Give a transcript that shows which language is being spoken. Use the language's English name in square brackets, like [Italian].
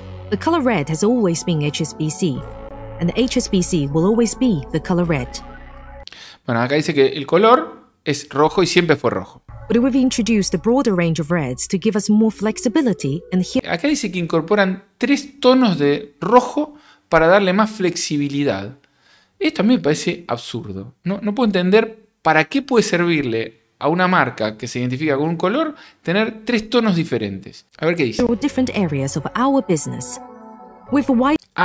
[English] The color red has always been HSBC, and the HSBC will always be the color red. [Spanish] Bueno, acá dice que el color es rojo y siempre fue rojo. [English] But we've introduced a broader range of reds to give us more flexibility and here... [Spanish] Acá dice que incorporan tres tonos de rojo para darle más flexibilidad. Esto a mí me parece absurdo. No puedo entender para qué puede servirle a una marca que se identifica con un color tener tres tonos diferentes. A ver qué dice. [English] Different areas of our business. With white...